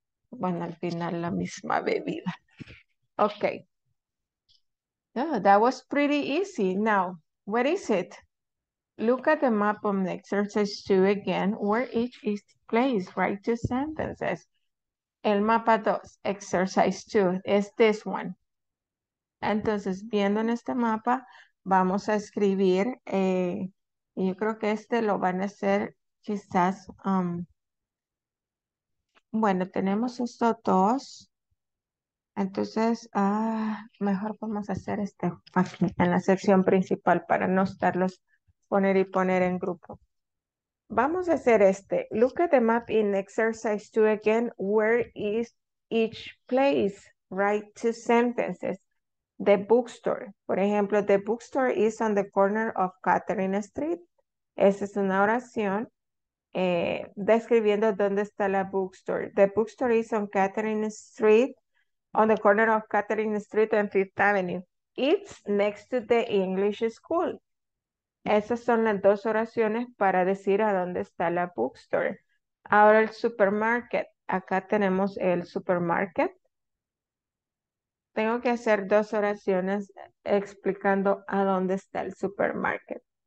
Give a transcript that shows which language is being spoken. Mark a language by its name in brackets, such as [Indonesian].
[Spanish] Bueno, al final la misma bebida. Okay. [English] Oh, that was pretty easy. Now, what is it? Look at the map on exercise two again, where each is placed. Write two sentences. [Spanish] El mapa dos, [English] exercise two, is this one. [Spanish] Entonces, viendo en este mapa, vamos a escribir. Yo creo que este lo van a hacer quizás, bueno, tenemos estos dos, entonces mejor vamos a hacer este aquí en la sección principal para no estarlos poner y poner en grupo. Vamos a hacer este, [English] look at the map in exercise two again, where is each place, write two sentences. The bookstore, [Spanish] por ejemplo, [English] the bookstore is on the corner of Catherine Street. [Spanish] Esa es una oración describiendo dónde está la bookstore. [English] The bookstore is on Catherine Street, on the corner of Catherine Street and Fifth Avenue. It's next to the English school. [Spanish] Esas son las dos oraciones para decir a dónde está la bookstore. Ahora el supermarket. Acá tenemos el supermarket. Tengo que hacer dos oraciones explicando a dónde está el supermarket.